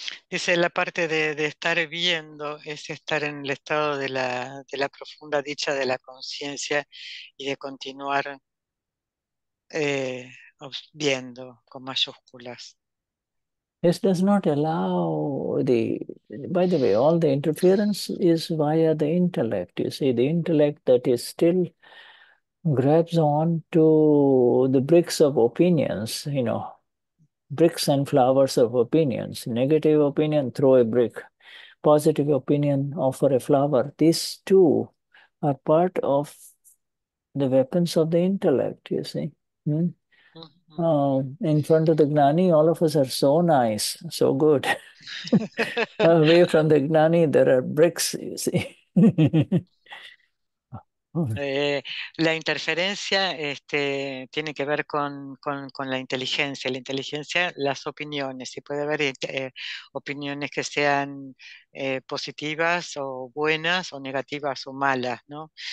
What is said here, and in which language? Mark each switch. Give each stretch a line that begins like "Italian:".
Spanish: Dice, la parte de estar viendo es estar en el estado de la profunda dicha de la conciencia y de continuar viendo con mayúsculas.
English: This does not allow the, by the way, all the interference is via the intellect. You see, the intellect that is still grabs on to the bricks of opinions, you know, bricks and flowers of opinions. Negative opinion, throw a brick. Positive opinion, offer a flower. These two are part of the weapons of the intellect, you see. In front of the Gnani, all of us are so nice, so good. Away from the Gnani, there are bricks, you see.
Spanish: La interferencia tiene que ver con la inteligencia. La inteligencia, las opiniones. Y puede haber opiniones que sean positivas o buenas o negativas o malas, ¿no?